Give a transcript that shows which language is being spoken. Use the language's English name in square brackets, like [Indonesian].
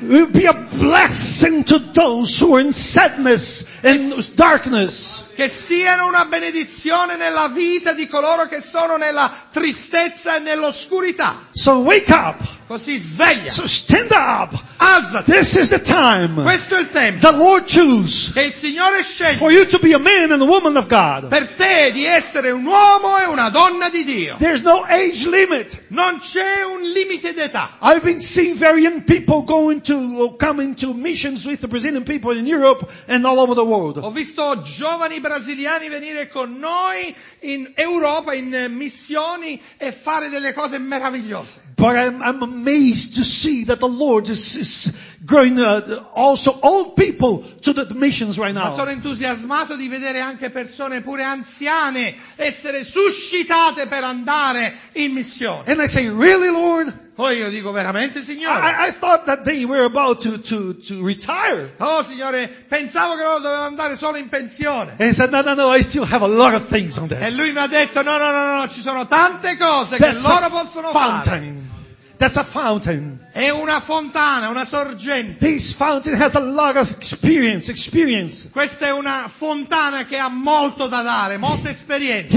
[English] Will be a blessing to those who are in sadness and darkness. [Italian] Che siano una benedizione nella vita di coloro che sono nella tristezza e nell'oscurità. [English] So wake up. [Italian] Così sveglia. [English] So stand up. [Italian] Alzati. [English] This is the time. [Italian] Questo è il tempo. [English] The Lord choose. [Italian] Che il Signore sceglie. [English] For you to be a man and a woman of God. [Italian] Per te di essere un uomo e una donna di Dio. [English] There's no age limit. [Italian] Non c'è un limite d'età. [English] I've been seeing very young people going to or coming to missions with the Brazilian people in Europe and all over the world. [Italian] Ho visto giovani brasiliani venire con noi in Europa in missioni e fare delle cose meravigliose. [English] But I'm amazed to see that the Lord is growing also old people to the missions right now. [Italian] Ma sono entusiasmato di vedere anche persone pure anziane essere suscitate per andare in missione. [English] And I say, really, Lord? [Italian] Poi io dico veramente, Signore. [English] I thought that they were about to retire. [Italian] Oh, Signore, pensavo che loro dovevano andare solo in pensione. [English] And he said, no, I still have a lot of things on there. [Italian] E lui mi ha detto, no, ci sono tante cose che loro possono [English] fountain. [Italian] Fare. [English] That's a fountain. [Italian] È una fontana, una sorgente. [English] This fountain has a lot of experience. [Italian] Questa è una fontana che ha molto da dare, molta esperienza.